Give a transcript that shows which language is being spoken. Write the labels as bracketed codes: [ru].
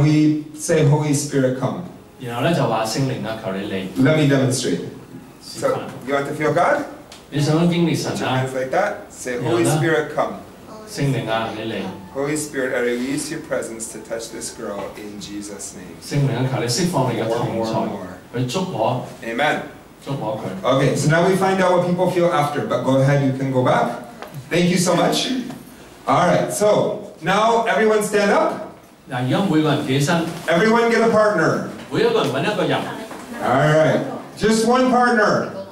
[en] we say Holy Spirit come. [yue] 然後咧就話聖靈啊，求你嚟。 [en] Let me demonstrate. So you want to feel God? [yue] 你想經歷神啊？ [en] Like that, say Holy Spirit come. [yue] 聖靈啊，你嚟。 [en] Holy Spirit, I release your presence to touch this girl in Jesus' name. [yue] 聖靈啊，求你釋放你嘅同在，去祝我。 [en] Amen. [yue] 祝我佢。 [en] Okay, so now we find out what people feel after, but go ahead, you can go back. Thank you so much. All right, so now everyone stand up. [yue] 嗱，而家每個人企起身。 [en] Everyone get a partner. [yue] 每一個人揾一個人。 [en] All right, just one partner.